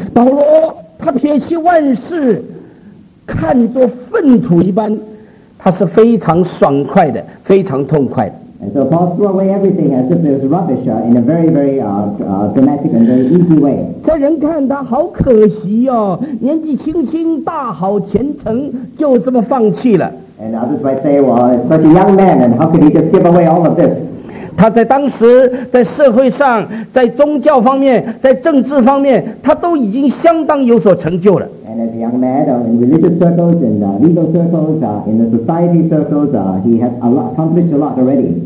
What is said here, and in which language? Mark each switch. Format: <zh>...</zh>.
<zh>保罗他撇弃万事，看作粪土一般，他是非常爽快的，非常痛快的。</zh> <en>And so Paul threw away everything as if it was rubbish in a very, very dramatic and very easy way.</en> <zh>这人看他好可惜哦，年纪轻轻大好前程就这么放弃了。</zh> <en>And others might say, well, it's such a young man, and how could he just give away all of this?</en> <zh>他在当时，在社会上，在宗教方面，在政治方面，他都已经相当有所成就了。</zh> <en>And as a young man, in religious circles, in legal circles, in the society circles, he has accomplished a lot already.</en>